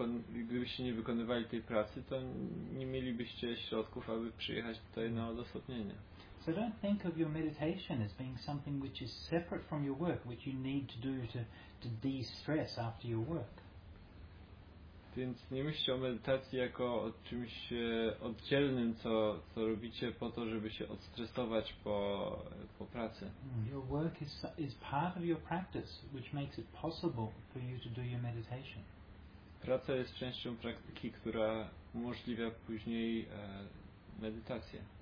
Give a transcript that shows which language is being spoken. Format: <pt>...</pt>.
<pl>Gdybyście nie wykonywali tej pracy, to nie mielibyście środków, aby przyjechać tutaj na odosobnienie.</pl> <en>So don't think of your meditation as being something which is separate from your work, which you need to do to de-stress after your work.</en> <pl>Więc nie myślcie o medytacji jako o czymś oddzielnym, co robicie po to, żeby się odstresować po pracy.</pl> <en>Your work is part of your practice, which makes it possible for you to do your meditation.</en> <pl>Praca jest częścią praktyki, która umożliwia później medytację.</pl>